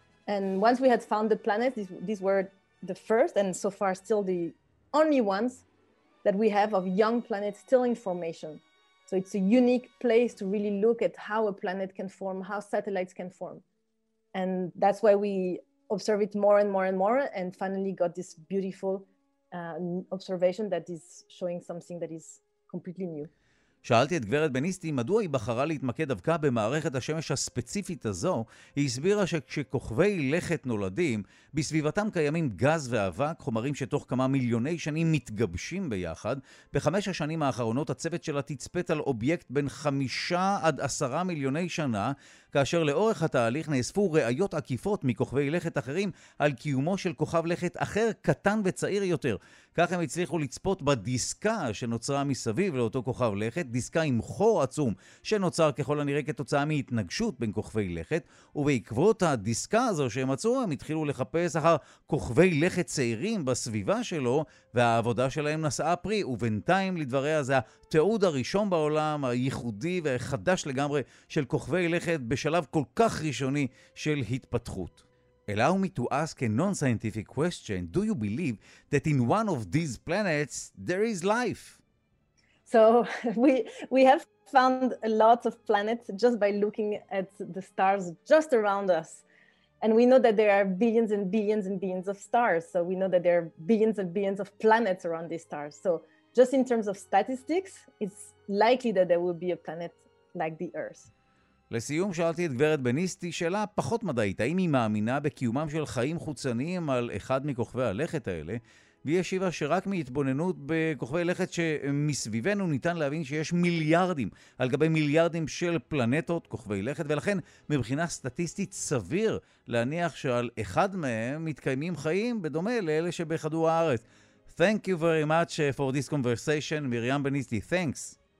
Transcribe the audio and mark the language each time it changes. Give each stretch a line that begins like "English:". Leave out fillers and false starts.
English: And once we had found the planets, these were the first and so far still the only ones that we have of young planets still in formation. So it's a unique place to really look at how a planet can form, how satellites can form. And that's why we observe it more and more and more, and finally got this beautiful observation that is showing something that is completely new.
Hebrew: שאלתי את גברת בניסטי מדוע היא בחרה להתמקד דווקא במערכת השמש הספציפית הזו. היא הסבירה שכשכוכבי לכת נולדים, בסביבתם קיימים גז ואבק, חומרים שתוך כמה מיליוני שנים מתגבשים ביחד. בחמש השנים האחרונות הצוות שלה תצפת על אובייקט בין 5 עד 10 מיליוני שנה, כאשר לאורך התהליך נאספו ראיות עקיפות מכוכבי לכת אחרים על קיומו של כוכב לכת אחר, קטן וצעיר יותר. כך הם הצליחו לצפות בדיסקה שנוצרה מסביב לאותו כוכב לכת, דיסקה עם חור עצום שנוצר ככל הנראה כתוצאה מהתנגשות בין כוכבי לכת, ובעקבות הדיסקה הזו שהם מצאו, הם התחילו לחפש אחר כוכבי לכת צעירים בסביבה שלו, והעבודה שלהם נשאה פרי, ובינתיים לדבריה זה התיעוד הראשון בעולם, הייחודי והחדש לגמרי של כוכבי לכת בשלב כל כך ראשוני של התפתחות.
English: Allow me to ask a non-scientific question. Do you believe that in one of these planets there is life? So we have found a lot of planets just by looking at the stars just around us. And we know that there are billions and billions and billions of stars. So we know that there are billions and billions of planets around these stars. So just in terms of statistics, it's likely that there will be a planet like the Earth.
Hebrew: לסיום שאלתי את גברת בניסטי שאלה פחות מדעית, האם היא מאמינה בקיומם של חיים חוצניים על אחד מכוכבי הלכת האלה, והיא השיבה שרק מהתבוננות בכוכבי לכת שמסביבנו ניתן להבין שיש מיליארדים על גבי מיליארדים של פלנטות, כוכבי לכת, ולכן מבחינה סטטיסטית סביר להניח שעל אחד מהם מתקיימים חיים בדומה לאלה שבכדור הארץ.
English: Thank you very much for this conversation, מרים בניסטי, thanks.